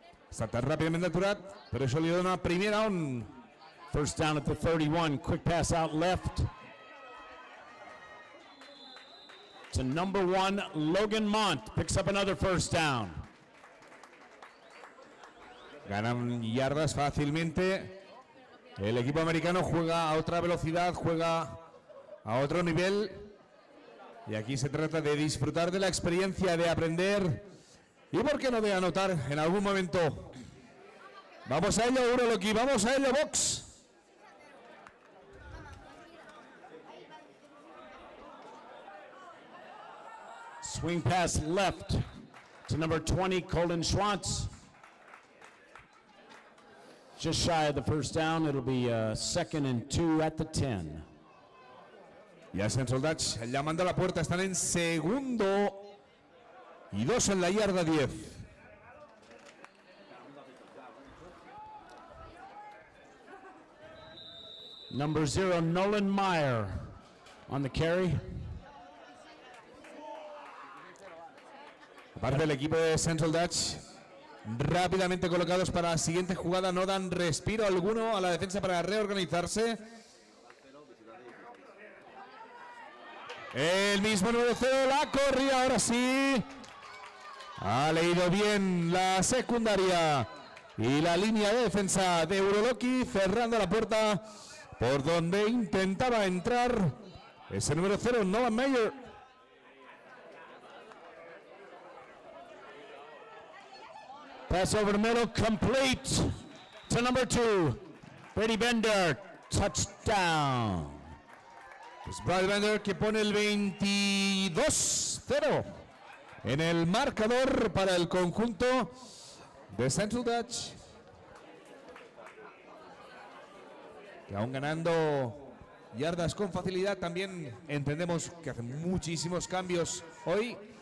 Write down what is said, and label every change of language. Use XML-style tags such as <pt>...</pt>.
<ca>Està tan ràpidament aturat, però això li dona primera on.</ca> <en>First down at the 31, quick pass out left. To number 1, Logan Mont, picks up another first down.</en> <es>Ganan yardas fácilmente. El equipo americano juega a otra velocidad, juega a otro nivel. Y aquí se trata de disfrutar de la experiencia, de aprender. ¿Y por qué no de anotar en algún momento? Vamos a ello, Uroloki, vamos a ello, box.</es> <en>Swing pass left to number 20, Colin Schwantz. Just shy of the first down, it'll be second and 2 at the 10.</en> <es>Ya Central Dutch llamando a la puerta, están en segundo y 2 en la yarda 10.</es> <en>Number 0, Nolan Meyer on the carry.</en> <es>Aparte del equipo de Central Dutch, rápidamente colocados para la siguiente jugada, no dan respiro alguno a la defensa para reorganizarse. El mismo número 0, la corrida ahora sí. Ha leído bien la secundaria y la línea de defensa de Uroloki, cerrando la puerta por donde intentaba entrar ese número 0, Nolan Meyer.</es> <en>Pass over the middle, complete to number 2, Brady Bender, touchdown.</en> <es>Es Brady Bender que pone el 22-0 en el marcador para el conjunto de Central Dutch. Que aún ganando yardas con facilidad, también entendemos que hacen muchísimos cambios hoy.</es>